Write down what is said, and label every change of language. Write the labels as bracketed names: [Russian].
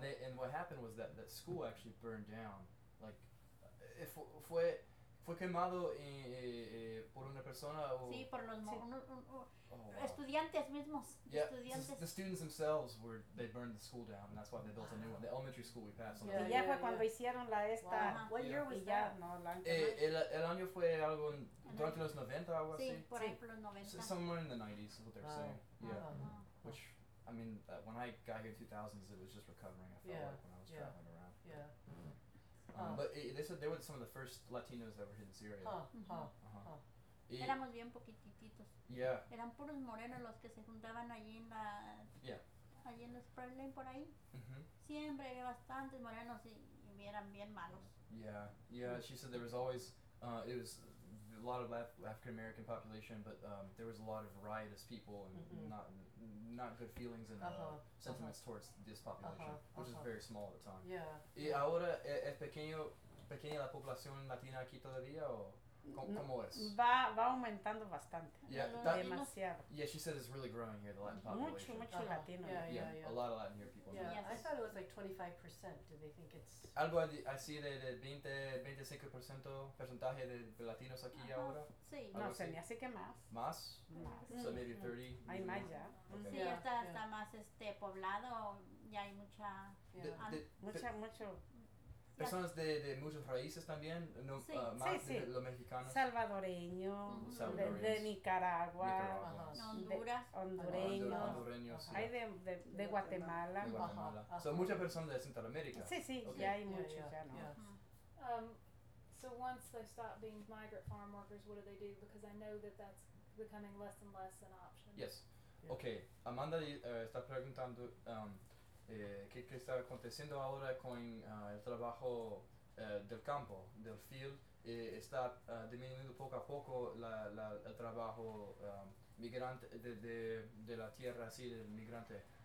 [English] they and what happened was that school actually burned down. [Spanish] Like, fue quemado por una persona o... Sí, por los sí. [English] Oh, wow. [Spanish] Estudiantes mismos. [English] Yeah, [Spanish] estudiantes. [English] The students themselves were, they burned the school down, and that's why they built a new one. The elementary school we passed on. [Spanish] Y ya fue cuando hicieron la esta. [English] What year was that? Yeah. No, [Spanish] el año fue algo en, durante los 90 o algo sí, así. Por sí, por ejemplo, los 90. [English] Somewhere in the 90s is what they're right. saying. Yeah. Uh-huh. Which, I mean, when I got here in 2000s, it was just recovering, I felt yeah. like, when I was yeah. traveling around. Yeah. But they said they were some of the first Latinos that were hit in Syria. Huh. Uh-huh. Huh. [Spanish] Éramos bien poquititos. [English] Yeah. [Spanish] Eran puros morenos los que se juntaban allí en la... [English] Yeah. [Spanish] Allí en la Spring Lane, por ahí. Mm-hmm. Siempre había bastantes morenos y eran bien malos. [English] Yeah. Yeah, she said there was always... it was a lot of African-American population, but there was a lot of riotous people and mm-hmm. not good feelings and sentiments uh-huh. towards this population, uh-huh. which uh-huh. is very small at the time. Yeah. [Spanish] ¿Y ahora es pequeña la población latina aquí todavía o cómo es? Va aumentando bastante. [English] Yeah. [Spanish] Demasiado. [English] Yeah, she said it's really growing here, the Latin population. [Spanish] Mucho, mucho uh-huh. latino. [English] Yeah, yeah, yeah, a lot of Latin here people. Yeah, yes. I thought it was like 25%. Do they think it's... [Spanish] Algo así de 20-25% porcentaje de latinos aquí uh-huh. ahora. Sí. Algo no, así. Se me hace que más. ¿Más? Más. [English] So maybe 30. [Spanish] Hay más ya. Sí, [English] yeah. [Spanish] Está, [English] yeah. [Spanish] está más poblado. Ya hay mucha... [English] Yeah. [Spanish] Mucho... Personas de muchas raíces también, no, sí. Más sí, de sí. los mexicanos. Salvadoreño, mm-hmm. de Nicaragua, Nicaragua. Hondureños, hondureños sí. hay de Guatemala. De Guatemala. Uh-huh. So muchas personas de Centroamérica. Sí, sí, [English] okay. [Spanish] ya hay [English] yeah, [Spanish] muchos, [English] yeah. [Spanish] ya no. [English] Yeah. So once they stop being migrant farm workers, what do? Because I know that that's becoming less and less an option. Yes. Yeah. [Spanish] Okay, Amanda está preguntando... ¿Qué está aconteciendo ahora con el trabajo del campo, del field? ¿Está disminuyendo poco a poco el trabajo migrante de la tierra, así del migrante?